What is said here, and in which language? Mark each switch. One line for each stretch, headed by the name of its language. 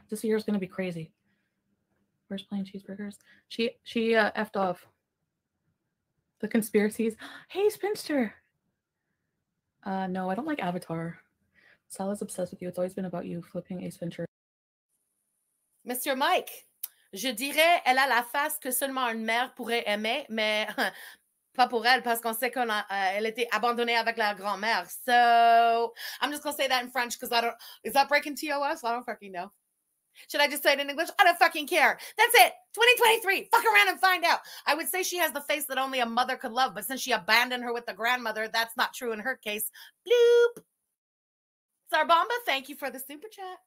English: This year is going to be crazy. Where's plain cheeseburgers? She effed off. The conspiracies. Hey, spinster. No, I don't like Avatar. Sal is obsessed with you. It's always been about you flipping Ace Ventura.
French: Monsieur Mike, je dirais elle a la face que seulement une mère pourrait aimer, mais pas pour elle parce qu'on sait qu'on a, elle était abandonnée avec la grand-mère.
English: So, I'm just going to say that in French because I don't... Is that breaking TOS? I don't fucking know. Should I just say it in English? I don't fucking care. That's it. 2023. Fuck around and find out. I would say she has the face that only a mother could love, but since she abandoned her with the grandmother, that's not true in her case. Bloop. Sarbamba, thank you for the super chat.